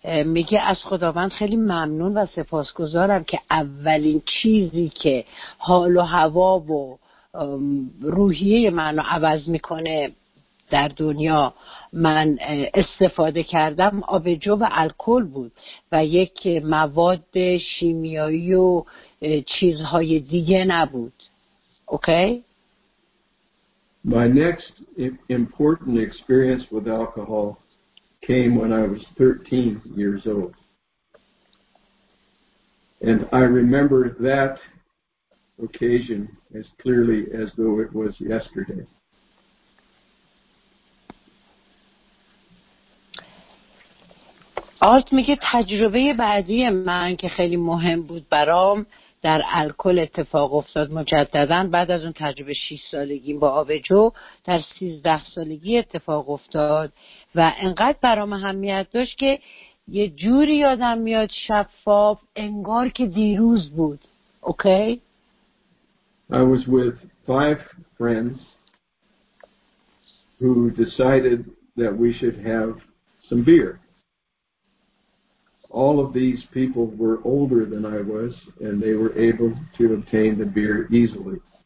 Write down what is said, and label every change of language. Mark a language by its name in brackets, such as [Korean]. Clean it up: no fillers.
[Persian] میگه از خداوند خیلی ممنون و سپاسگزارم که اولین چیزی که حال و هوا و روحیه منو عوض میکنه در دنیا من استفاده کردم آبجو و الکل بود و یک مواد شیمیایی و چیزهای دیگه نبود. [English] Okay. My next important experience with alcohol came when I was 13 years old. And I remember that occasion as clearly as though it was yesterday. [Persian] آرت میگه تجربه بعدی من که خیلی مهم بود برام در الکل اتفاق افتاد مجدداً بعد از اون تجربه 6 سالگی با آبجو در 13 سالگی اتفاق افتاد و انقدر برام اهمیت داشت که یه جوری یادم میاد شفاف انگار که دیروز بود. [English] Okay? I was with 5 friends who decided that we should have some beer. All of these people were older than I was, and they were able to obtain the beer easily.